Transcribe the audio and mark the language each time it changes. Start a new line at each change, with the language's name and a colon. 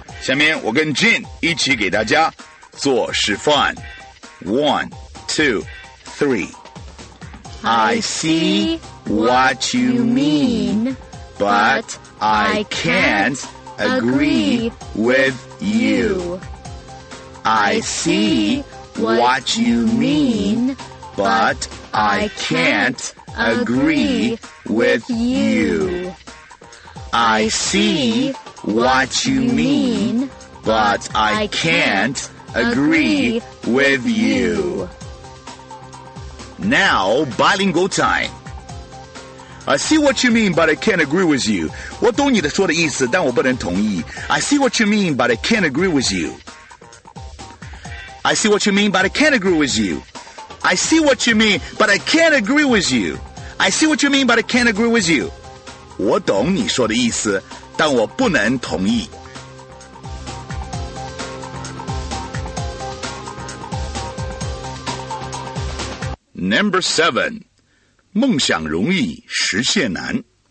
Chinese: 下面我跟 Jin 一起给大家做示范。
English: 1, 2, 3. I see what you mean, but I can't agree with you. I see what you mean, but I can't agree with you. I see what you mean, but I can't agree with you. Now, bilingual time. I see what you mean, but I can't agree with you.
Chinese: 我懂你的说的意思，但我不能同意。
English: I see what you mean, but I can't agree with you. I see what you mean, but I can't agree with you. I see what you mean, but I can't agree with you. I see what you mean, but I can't agree with you.
Chinese: 我懂你说的意思，但我不能同意。
English: Number 7.
Chinese: 梦想容易，实现难。